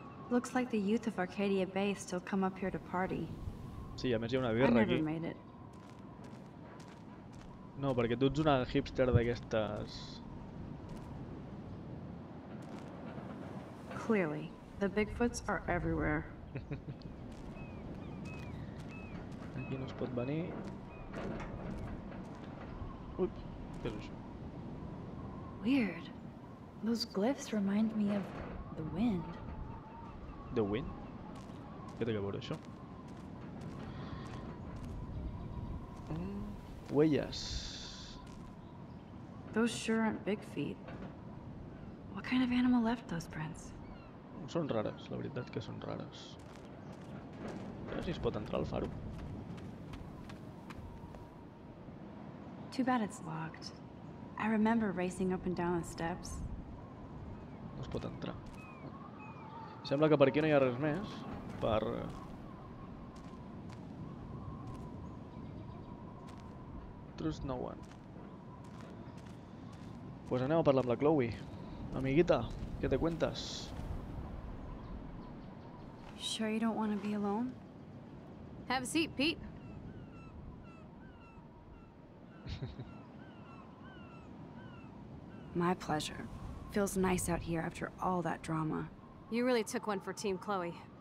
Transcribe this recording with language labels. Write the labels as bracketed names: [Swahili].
[English] Looks like the youth of Arcadia Bay still come up here to party. [Catalan] Sí, a més hi ha una birra aquí. No, perquè tu ets una hipster d'aquestes... [English] Clearly, the Bigfoots are everywhere. [Catalan] Aquí no es pot venir. Ui, què és això? [English] Weird. Those glyphs remind me of the wind. The wind? [Catalan] Què té a veure això? [Spanish] Huelles. [English] Those sure aren't big feet. What kind of animal left those prints? [Catalan] Són rares, la veritat que són rares. A veure si es pot entrar al faro. [English] Too bad it's locked. I remember racing up and down the steps. [Catalan] No es pot entrar. Sembla que per aquí no hi ha res més. Per... [English] Trust no one. [Catalan] Pues anem a parlar amb la Chloe. [Spanish] Amiguita, què te cuentes? [English] Sure you don't want to be alone? Have a seat, Pete. My pleasure. Feels nice out here after all that drama. You really took one for Team Chloe.